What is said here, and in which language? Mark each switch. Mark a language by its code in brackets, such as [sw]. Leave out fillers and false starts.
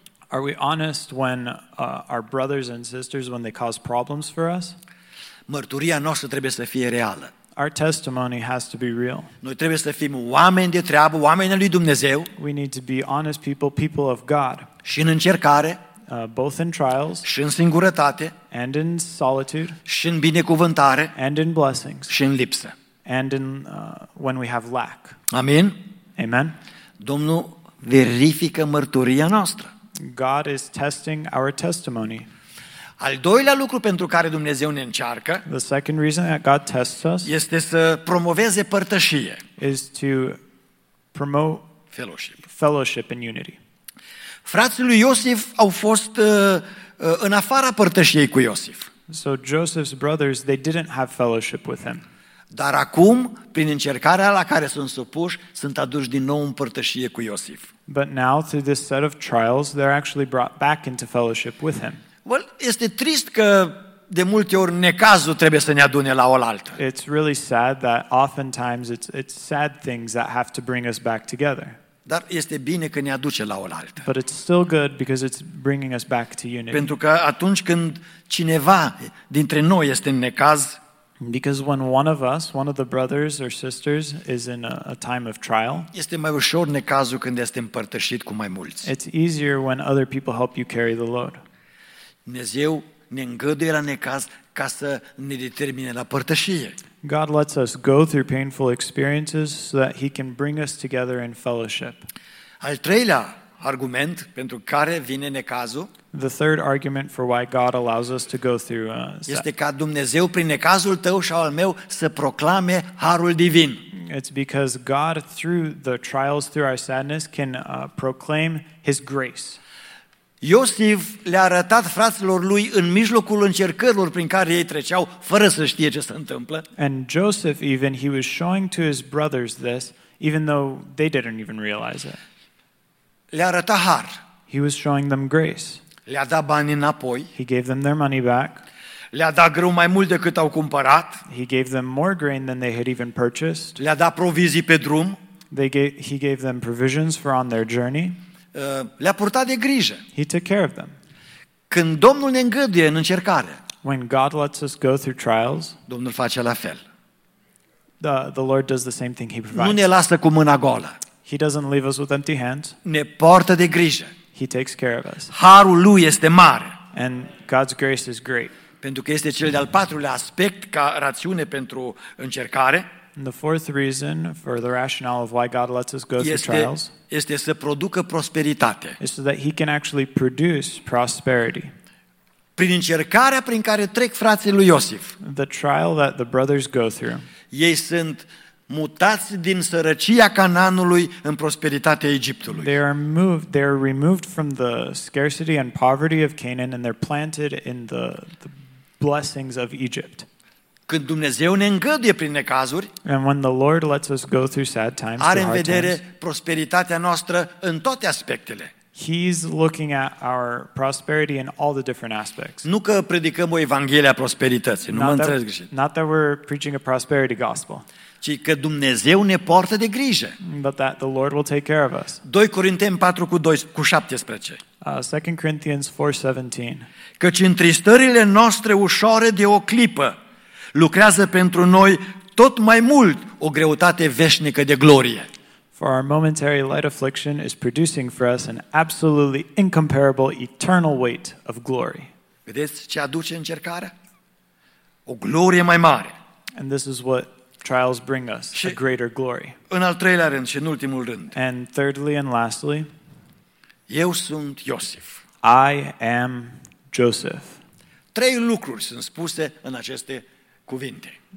[en] Are we honest when our brothers and sisters when they cause problems for us? [ro] Mărturia noastră trebuie să fie reală. [en] Our testimony has to be real. [ro] Noi trebuie să fim oameni de treabă, oameni al lui Dumnezeu. [en] We need to be honest people, people of God. [ro] Și în încercare, [en] both in trials, [ro] și în singurătate, [en] and in solitude, [ro] și în binecuvântare, [en] and in blessings, [ro] și în lipsă, [en] and in when we have lack. [ro] Amin. [en] Amen. [ro] Domnul verifică mărturia noastră. [en] God is testing our testimony. [ro] Al doilea lucru pentru care Dumnezeu ne încearcă, [en] the second reason that God tests us, [ro] este să promoveze părtășie, [en] is to promote fellowship and unity. [ro] Frații lui Iosif au fost în afara părtășiei cu Iosif. [en] So Joseph's brothers, they didn't have fellowship with him. [ro] Dar acum, prin încercarea la care sunt supuși, sunt aduși din nou în părtășie cu Iosif. [en] But now, through this set of trials, they're actually brought back into fellowship with him. [ro] Well, este trist că de multe ori necazul trebuie să ne adune la oaltă. [en] It's really sad that oftentimes it's sad things that have to bring us back together. [ro] Dar este bine că ne aduce la oaltă. [en] But it's still good because it's bringing us back to unity. [ro] Pentru că atunci când cineva dintre noi este în necaz, [en] because when one of us, one of the brothers or sisters, is in a time of trial, [ro] este mai ușor necazul când este împărtășit cu mai mulți. [en] It's easier when other people help you carry the load. [ro] Dumnezeu ne îngăduie la necaz ca să ne determine la părtășie. [en] God lets us go through painful experiences so that he can bring us together in fellowship. [ro] Al treilea argument pentru care vine necazul, [en] the third argument for why God allows us to go through [ro] este ca Dumnezeu prin necazul tău și al meu să proclame harul divin. [en] It's because God through the trials, through our sadness, can proclaim his grace. [ro] Iosif le-a arătat fraților lui în mijlocul încercărilor prin care ei treceau fără să știe ce se întâmplă. [en] And Joseph even, he was showing to his brothers this even though they didn't even realize it. [ro] Le-a arătat har. [en] He was showing them grace. [ro] Le-a dat bani înapoi. [en] He gave them their money back. [ro] Le-a dat grâu mai mult decât au cumpărat. [en] He gave them more grain than they had even purchased. [ro] Le-a dat provizii pe drum. [en] He gave them provisions for on their journey. [ro] Le-a purtat de grijă. [en] He took care of them. [ro] Când Domnul ne îngăduie în încercare, [en] when God lets us go through trials, [ro] Domnul face la fel. [en] The Lord does the same thing he provides. [ro] Nu ne lasă cu mâna goală. [en] He doesn't leave us with empty hands. [ro] Ne poartă de grijă. [en] He takes care of us. [ro] Harul lui este mare. [en] And God's grace is great. [ro] Pentru că este cel de-al patrulea aspect ca rațiune pentru încercare. [en] The fourth reason for the rationale of why God lets us go through trials [ro] este să producă prosperitate. [en] Is so that he can actually produce prosperity. [ro] Prin încercarea prin care trec frații lui Iosif. [en] The trial that the brothers go through. [ro] Ei sunt mutați din sărăcia Canaanului în prosperitatea Egiptului. [en] They are removed from the scarcity and poverty of Canaan and they're planted in the blessings of Egypt. [ro] Când Dumnezeu ne îngăduie prin necazuri, [en] and when the Lord lets us go through sad times, [ro] are în vedere prosperitatea noastră în toate aspectele. [en] He's looking at our prosperity in all the different aspects. [ro] Nu că predicăm o evanghelie a prosperității, nu mă înțelegi greșit. [en] Not that we're preaching a prosperity gospel. [ro] Ci că Dumnezeu ne poartă de grijă. [en] But that the Lord will take care of us. [ro] 2 Corinteni 4 cu 2 cu 17. [en] 2 Corinthians 4:17. [ro] Căci întristările noastre ușoare de o clipă lucrează pentru noi tot mai mult o greutate veșnică de glorie. [en] For our momentary light affliction is producing for us an absolutely incomparable eternal weight of glory. [ro] Vedeți ce aduce încercarea? O glorie mai mare. [en] And this is what trials bring us, a greater glory. [ro] În al treilea rând și în ultimul rând. [en] And thirdly and lastly, [ro] eu sunt Iosif. [en] I am Joseph. [ro] Trei lucruri sunt spuse în aceste cuvinte.